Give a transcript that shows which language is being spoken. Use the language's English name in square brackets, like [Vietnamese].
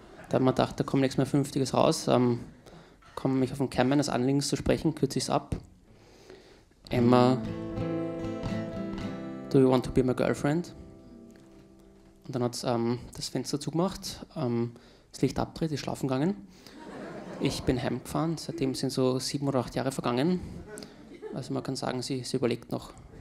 [German] Da hat man gedacht, da kommt nichts mehr Vernünftiges raus. Komme mich auf den Kern meines Anliegens zu sprechen, kürze ich es ab. [English] Emma, do you want to be my girlfriend? [German] Und dann hat es das Fenster zugemacht, das Licht abgedreht, ist schlafen gegangen. Ich bin heimgefahren, seitdem sind so 7 oder 8 Jahre vergangen. Also man kann sagen, sie überlegt noch.